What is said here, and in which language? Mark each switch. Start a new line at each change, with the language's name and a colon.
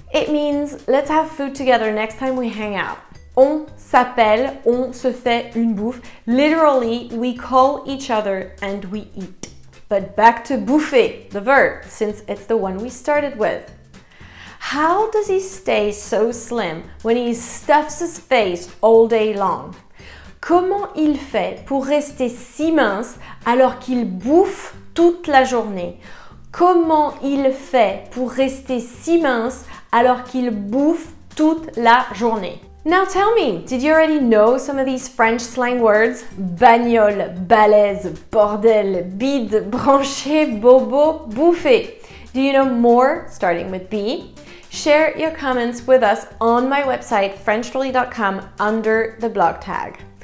English: It means, let's have food together next time we hang out.
French: On s'appelle, on se fait une bouffe.
English: Literally, we call each other and we eat. But back to bouffer, the verb, since it's the one we started with. How does he stay so slim when he stuffs his face all day long?
French: Comment il fait pour rester si mince alors qu'il bouffe toute la journée? Comment il fait pour rester si mince alors qu'il bouffe toute la journée?
English: Now tell me, did you already know some of these French slang words?
French: Bagnole, balèze, bordel, bide, branché, bobo, bouffé.
English: Do you know more, starting with B? Share your comments with us on my website, frenchtrolley.com, under the blog tag.